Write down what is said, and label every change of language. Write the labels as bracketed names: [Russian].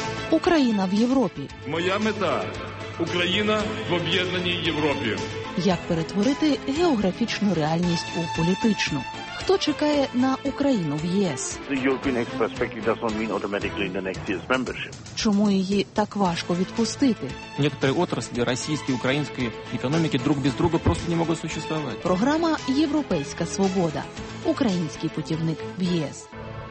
[Ukrainian] Україна в Європі. Моя мета – Україна в об'єднаній Європі. Як перетворити географічну реальність у політичну? Хто чекає на Україну в ЄС? [English] The European Next Perspective doesn't mean automatically the next year's membership. [Ukrainian] Чому її так важко відпустити? Некоторі отраслі російської, української економіки друг без друга просто не можуть существувати. Програма «Європейська свобода. Український путівник в ЄС».